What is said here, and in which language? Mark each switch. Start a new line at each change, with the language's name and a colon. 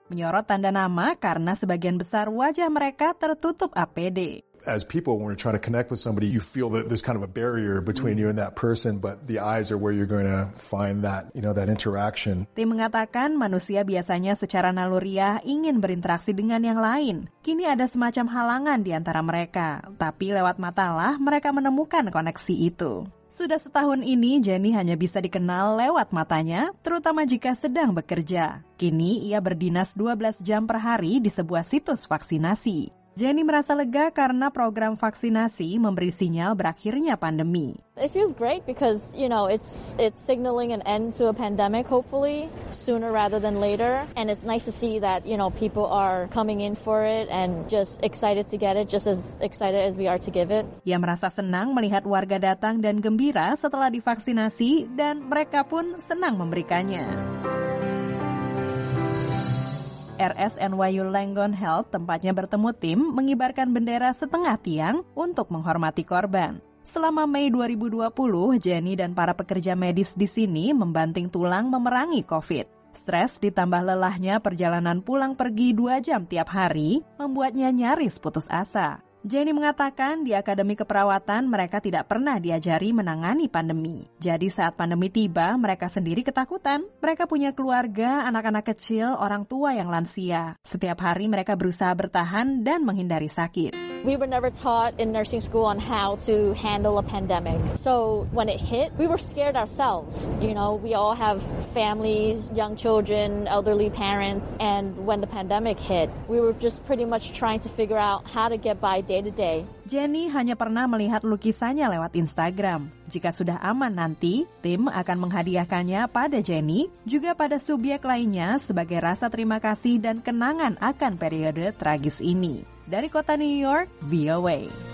Indonesian: Menyorot tanda nama karena sebagian besar wajah mereka tertutup APD.
English: As people, when you're trying to connect with somebody, you feel that there's kind of a barrier between you and that person, but the eyes are where you're going to find that, you know, that interaction.
Indonesian: Tim mengatakan manusia biasanya secara naluriah ingin berinteraksi dengan yang lain. Kini ada semacam halangan di antara mereka, tapi lewat matalah mereka menemukan koneksi itu. Sudah setahun ini, Jenny hanya bisa dikenal lewat matanya, terutama jika sedang bekerja. Kini ia berdinas 12 jam per hari di sebuah situs vaksinasi. Jenny merasa lega karena program vaksinasi memberi sinyal berakhirnya pandemi.
English: It feels great because, you know, it's signaling an end to a pandemic, hopefully, sooner rather than later. And it's nice to see that, you know, people are coming in for it and just excited to get it, just as excited as we are to give it.
Indonesian: Ia merasa senang melihat warga datang dan gembira setelah divaksinasi, dan mereka pun senang memberikannya. RS NYU Langone Health, tempatnya bertemu Tim, mengibarkan bendera setengah tiang untuk menghormati korban. Selama Mei 2020, Jenny dan para pekerja medis di sini membanting tulang memerangi COVID. Stres ditambah lelahnya perjalanan pulang pergi 2 jam tiap hari membuatnya nyaris putus asa. Jenny mengatakan di Akademi Keperawatan mereka tidak pernah diajari menangani pandemi. Jadi saat pandemi tiba, mereka sendiri ketakutan. Mereka punya keluarga, anak-anak kecil, orang tua yang lansia. Setiap hari mereka berusaha bertahan dan menghindari sakit.
English: We were never taught in nursing school on how to handle a pandemic. So when it hit, we were scared ourselves. You know, we all have families, young children, elderly parents. And when the pandemic hit, we were just pretty much trying to figure out how to get by day to day.
Indonesian: Jenny hanya pernah melihat lukisannya lewat Instagram. Jika sudah aman nanti, tim akan menghadiahkannya pada Jenny, juga pada subjek lainnya sebagai rasa terima kasih dan kenangan akan periode tragis ini. Dari kota New York, VOA.